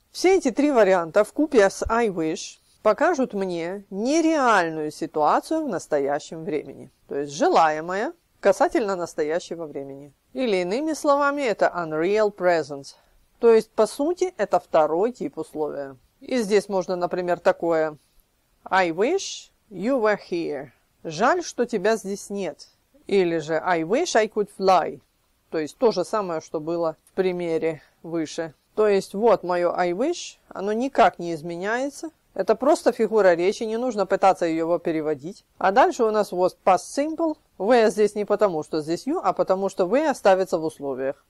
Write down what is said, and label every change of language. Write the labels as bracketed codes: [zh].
[ru] Все эти три варианта вкупе с I wish покажут мне нереальную ситуацию в настоящем времени. То есть желаемое касательно настоящего времени. Или иными словами, это unreal present. То есть, по сути, это второй тип условия. И здесь можно, например, такое. [en] I wish you were here. [ru] Жаль, что тебя здесь нет. Или же [en] I wish I could fly. [ru] То есть, то же самое, что было в примере выше. То есть, вот мое I wish, оно никак не изменяется. Это просто фигура речи, не нужно пытаться его переводить. А дальше у нас was past simple. Where здесь не потому, что здесь you, а потому, что where оставится в условиях.